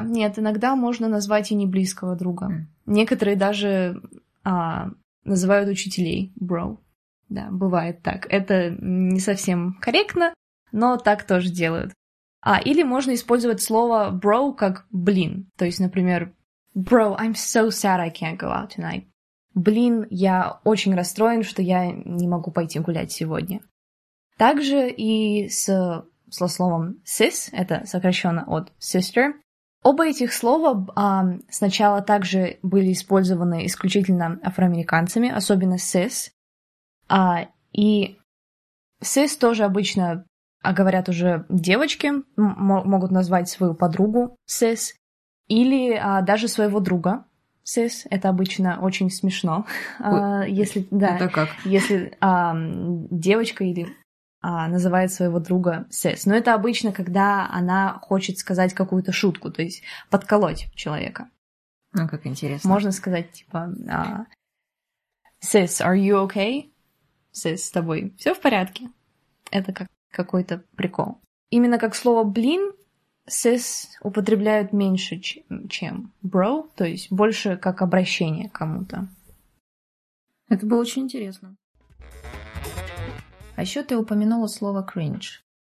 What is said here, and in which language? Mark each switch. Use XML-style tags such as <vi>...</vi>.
<ru>Нет, иногда можно назвать и не близкого друга. Некоторые даже называют учителей bro. Да, бывает так. Это не совсем корректно, но так тоже делают. Или можно использовать слово bro как блин. То есть, например,</ru> <en>bro, I'm so sad I can't go out tonight.</en> <ru>Блин, я очень расстроен, что я не могу пойти гулять сегодня. Также и с словом sis, это сокращенно от sister. Оба этих слова сначала также были использованы исключительно афроамериканцами, особенно sis. И sis тоже обычно говорят уже девочки, могут назвать свою подругу sis, или даже своего друга. Sis, это обычно очень смешно, если, да, это как? Если девочка или называет своего друга sis. Но это обычно, когда она хочет сказать какую-то шутку, то есть подколоть человека. Ну, как интересно. Можно сказать, типа,</ru> <en>sis, are you okay?</en> <ru>Sis, с тобой все в порядке? Это как какой-то прикол. Именно как слово «блин», sis употребляют меньше, чем bro, то есть больше как обращение к кому-то. Это было очень интересно. А еще ты упомянула слово cringe.</ru>